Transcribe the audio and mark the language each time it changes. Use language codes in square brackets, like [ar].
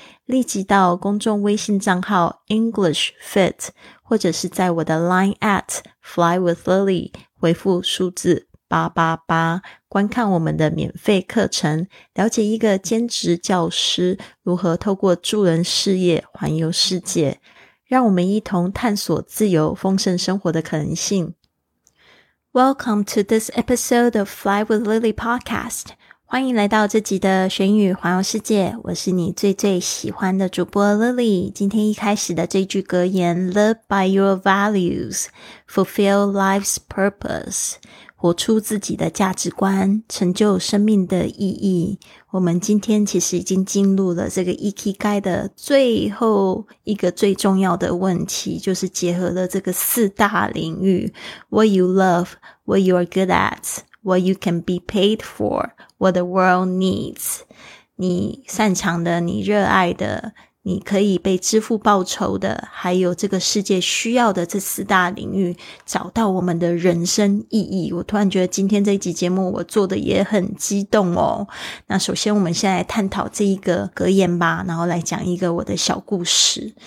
[zh] 立即到公众微信账号 EnglishFit 或者是在我的 Line at FlyWithLily 回复数字888，观看我们的免费课程，了解一个兼职教师如何透过助人事业环游世界，让我们一同探索自由丰盛生活的可能性。 [en] Welcome to this episode of Fly with Lily podcast. [zh] 欢迎来到这集的学英语环游世界，我是你最最喜欢的主播 Lily。今天一开始的这句格言 [en] Live by your values, fulfill life's purpose, [zh] 活出自己的价值观，成就生命的意义。我们今天其实已经进入了这个 Ikigai 的最后一个最重要的问题，就是结合了这个四大领域 [en] What you love, what you are good at, what you can be paid for, what the world needs. [zh] 你擅长的，你热爱的，你可以被支付报酬的，还有这个世界需要的，这四大领域找到我们的人生意义。我突然觉得今天这一集节目我做的也很激动哦。那首先我们先来探讨这一个格言吧，然后来讲一个我的小故事。